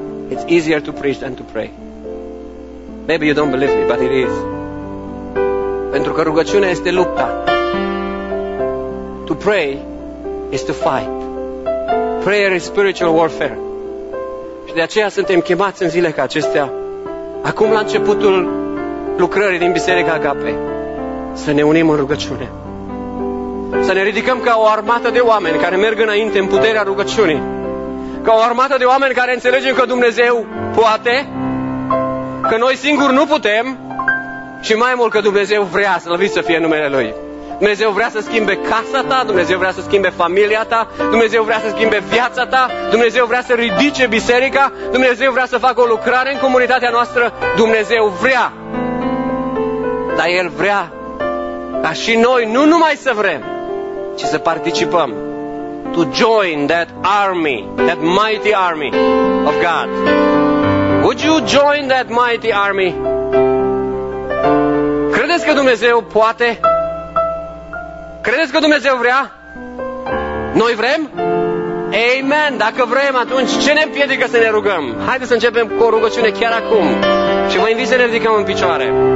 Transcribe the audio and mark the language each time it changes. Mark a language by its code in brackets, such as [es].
[en] It's easier to preach than to pray. Maybe you don't believe me, but it is. [ro] Pentru că rugăciunea este lupta. [en] To pray is to fight. Prayer is spiritual warfare. [ro] Și de aceea suntem chemați în zilele ca acestea, acum la începutul lucrării din Biserica Agape, să ne unim în rugăciune. Să ne ridicăm ca o armată de oameni care merg înainte în puterea rugăciunii. Ca o armată de oameni care înțelegem că Dumnezeu poate, că noi singuri nu putem și mai mult că Dumnezeu vrea slăvit să fie numele Lui. Dumnezeu vrea să schimbe casa ta, Dumnezeu vrea să schimbe familia ta, Dumnezeu vrea să schimbe viața ta, Dumnezeu vrea să ridice biserica, Dumnezeu vrea să facă o lucrare în comunitatea noastră, Dumnezeu vrea. Dar El vrea ca și noi nu numai să vrem, ci să participăm. [en] To join that army, that mighty army of God. Would you join that mighty army? [ro] Credeți că Dumnezeu poate? Credeți că Dumnezeu vrea? Noi vrem? Amen! Dacă vrem, atunci ce ne împiedică să ne rugăm? Haideți să începem cu o rugăciune chiar acum. Și vă invit să ne ridicăm în picioare.